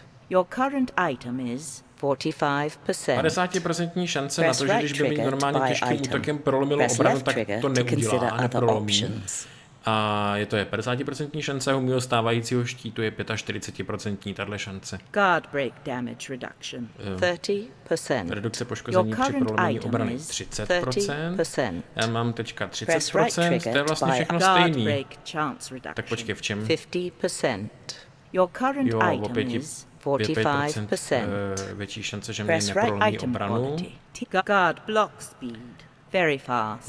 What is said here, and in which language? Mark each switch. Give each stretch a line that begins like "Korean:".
English: Your current item is 45%.
Czech: 50% šance na to, že když by mi normálně těžkým útokem prolomilo obranu, tak to neudělá, neprolomí. A je to je 50% šance u mého stávajícího štítu je 45% tahle šance.
English: Guard break damage reduction 30%.
Czech: Redukce poškození při prolomení obrany 30%. Já mám teďka 30%. To je vlastně všechno stejný. Tak počkej, v čem?
English: 50%. Your current item is 45%.
Czech: Větší šance, že mě neprolomí obranu.
English: Guard block speed very fast.